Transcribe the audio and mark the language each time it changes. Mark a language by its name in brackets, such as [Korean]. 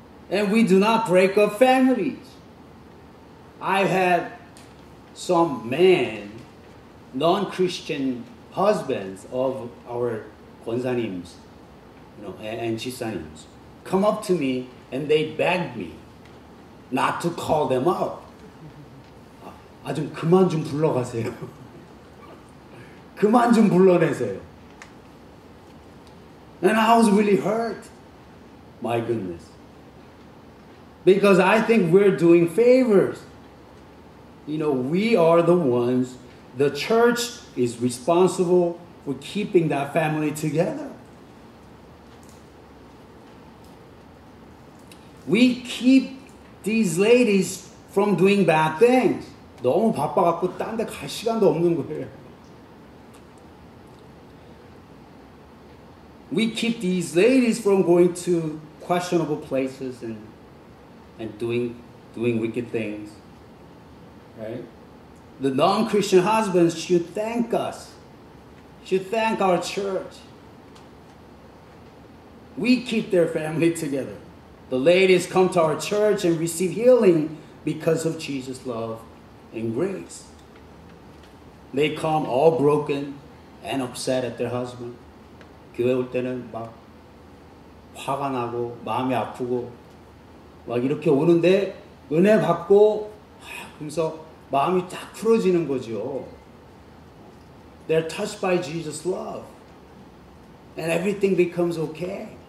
[English] And we do not break up families. I've had some men, non-Christian husbands of our 권사님s, you know, and 지사님s, come up to me and they begged me not to call them out. [Korean] 아, 좀 그만 좀 불러가세요. 그만 좀 불러내세요. [English] And I was really hurt. My goodness. Because I think we're doing favors. You know, we are the ones, the church is responsible for keeping that family together. We keep these ladies from doing bad things. [Korean] 너무 바빠갖고 딴 데 갈 시간도 없는 거예요. [English] We keep these ladies from going to questionable places and doing wicked things, right? The non-Christian husbands should thank us, should thank our church. We keep their family together. The ladies come to our church and receive healing because of Jesus' love and grace. They come all broken and upset at their husband. [Korean] 교회 올 때는 막 화가 나고 마음이 아프고 막 이렇게 오는데 은혜 받고 하, 그래서 마음이 딱 풀어지는 거죠. [English] They're touched by Jesus' love. And everything becomes okay.